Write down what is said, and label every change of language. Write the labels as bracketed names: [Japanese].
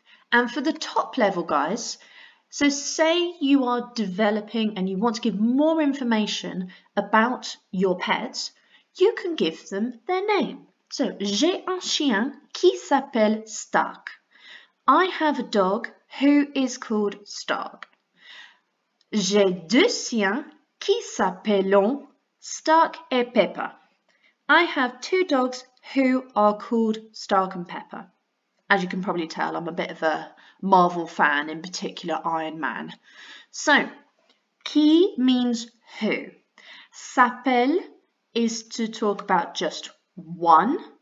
[English] And for the top level, guys, so say you are developing and you want to give more information about your pets, you can give them their name. So, [French] j'ai un chien qui s'appelle Stark. [English] I have a dog who is called Stark. [French] J'ai deux chiens qui s'appellent Stark et Pepper. [English] I have two dogs who are called Stark and Pepper. As you can probably tell, I'm a bit of a Marvel fan, in particular Iron Man. So, qui means who. S'appelle is to talk about just one.